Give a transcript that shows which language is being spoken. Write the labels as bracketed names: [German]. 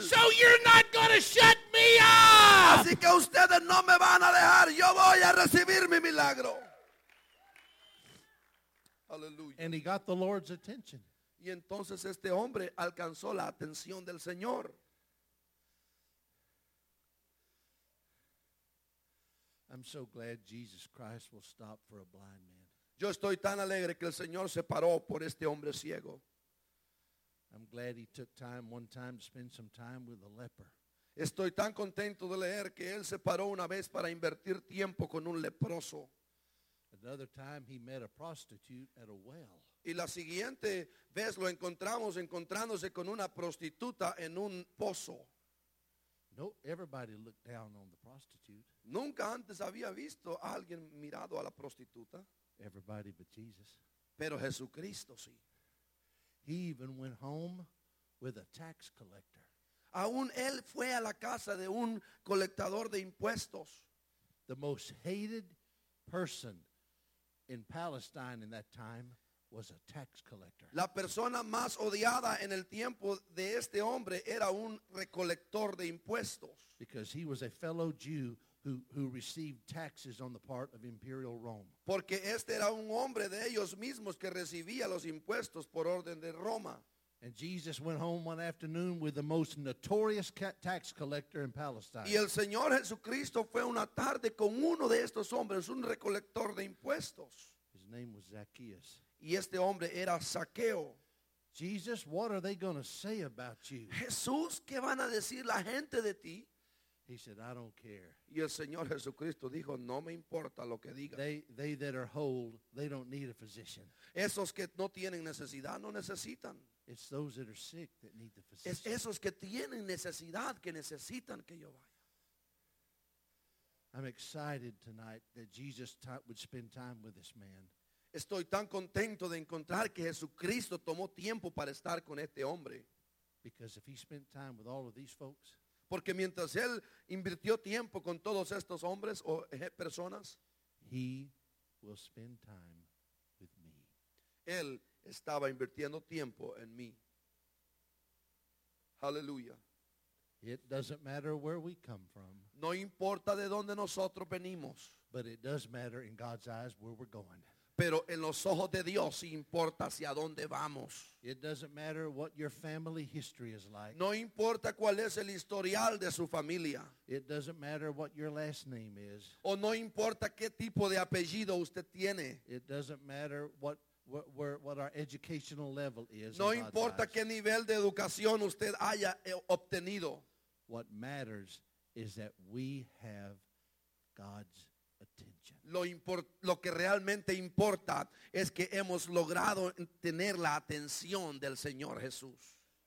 [English] So you're not going to shut me up. [Spanish] Así que ustedes no me van a dejar. Yo voy a recibir mi milagro. [English] Hallelujah. And he got the Lord's attention. [Spanish] Y entonces este hombre alcanzó la atención del Señor. [English] I'm so glad Jesus Christ will stop for a blind man. [Spanish] Yo estoy tan alegre que el Señor se paró por este hombre ciego. [English] I'm glad he took time one time to spend some time with the leper. [Spanish] Estoy tan contento de leer que él se paró una vez para invertir tiempo con un leproso. [English] Another time he met a prostitute at a well. [Spanish] Y la siguiente vez lo encontramos encontrándose con una prostituta en un pozo. [English] No, everybody looked down on the prostitute. [Spanish] Nunca antes había visto a alguien mirado a la prostituta. [English] Everybody but Jesus. [Spanish] Pero Jesucristo sí. [English] He even went home with a tax collector. [Spanish] Aún él fue a la casa de un colectador de impuestos. [English] The most hated person in Palestine in that time. was a tax collector. [Spanish] La persona más odiada en el tiempo de este hombre era un recolector de impuestos. [English] Because he was a fellow Jew who received taxes on the part of Imperial Rome. [Spanish] Porque este era un hombre de ellos mismos que recibía los impuestos por orden de Roma. [English] And Jesus went home one afternoon with the most notorious tax collector in Palestine. [Spanish] Y el Señor Jesucristo fue una tarde con uno de estos hombres, un recolector de impuestos. [English] His name was Zacchaeus. [Spanish] Y este hombre era Zaqueo. [English] Jesus, what are they going to say about you? [Spanish] Jesús, ¿qué van a decir la gente de ti? [English] He said, I don't care. [Spanish] Y el Señor Jesucristo dijo, no me importa lo que digan. [English] They that are whole, they don't need a physician. [Spanish] Esos que no tienen necesidad, no necesitan. [English] It's those that are sick that need the physician. [Spanish] Es esos que tienen necesidad, que necesitan que yo vaya. [English] I'm excited tonight that Jesus would spend time with this man. [Spanish] Estoy tan contento de encontrar que Jesucristo tomó tiempo para estar con este hombre. [English] Because if he spent time with all of these folks, [Spanish] porque mientras él invirtió tiempo con todos estos hombres o personas, [English] he will spend time with me. [Spanish] Él estaba invirtiendo tiempo en mí. [English] Hallelujah. It doesn't matter where we come from. [Spanish] No importa de dónde nosotros venimos. [English] But it does matter in God's eyes where we're going. [Spanish] Pero en los ojos de Dios sí importa hacia dónde vamos. [English] It doesn't matter what your family history is like. [Spanish] No importa cuál es el historial de su familia. [English] It doesn't matter what your last name is. [Spanish] O no importa qué tipo de apellido usted tiene. [English] It doesn't matter what our educational level is. [Spanish] No importa qué nivel de educación usted haya obtenido. [English] What matters is that we have God's attention. [Spanish] Lo que realmente importa es que hemos logrado tener la atención del Señor Jesús.